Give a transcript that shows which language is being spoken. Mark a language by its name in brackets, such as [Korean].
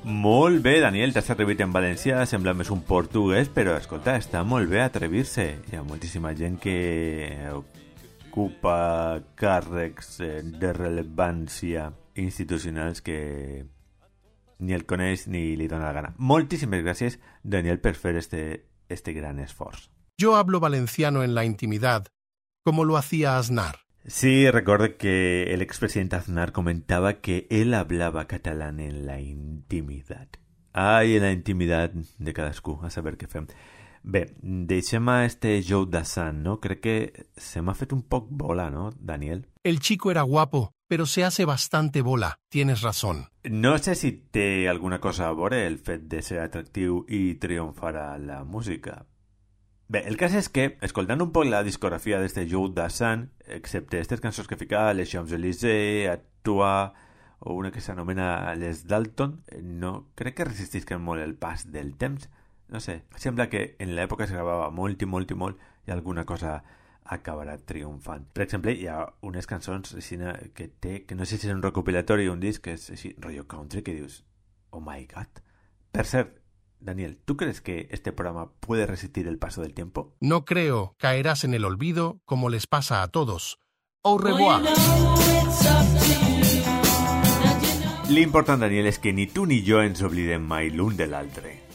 [Catalan] Molt bé, Daniel, t'has atrevit en valencià, sembla més un portuguès, però escolta, està molt bé atrevir-se. Hi ha moltíssima gent que ocupa càrrecs de rellevància institucionals que ni el coneix ni li dona la gana. Moltíssimes gràcies, Daniel, per fer este gran esforç. [Spanish] Jo hablo valenciano en la intimitat, com lo hacía Aznar. Sí, recuerdo que el expresidente Aznar comentaba que él hablaba catalán en la intimidad. Ay, en la intimidad [Catalan] de cadascú, a saber qué fe. Bé, deixem a este Joe Dassan, ¿no? [Spanish] Creo que se me ha [Catalan] fet un poc [Spanish] bola, ¿no, Daniel? El chico era guapo, pero se hace bastante bola. Tienes razón. [Catalan] No sé si té alguna cosa a veure el fet de ser atractiu i triomfar a la música. Bé, el cas és que, escoltant un poc la discografia d'este Joe Dassan, excepte aquestes cançons que ficava, Les Champs-Élysées, Actua, o una que s'anomena Les Dalton, no crec que resistisquen molt el pas del temps. No sé, sembla que en l'època es gravava molt i molt i molt i alguna cosa acabarà triomfant. Per exemple, hi ha unes cançons Regina, que té, que no sé si és un recopilatori o un disc, que és així, rollo country, que dius, [English] oh my god. [Catalan] Per cert, [Spanish] Daniel, ¿tú crees que este programa puede resistir el paso del tiempo? No creo. Caerás en el olvido, como les pasa a todos. [French] Au revoir. [Spanish] Lo importante, Daniel, es que ni tú ni yo [Catalan] ens oblidem mai l'un de l'altre.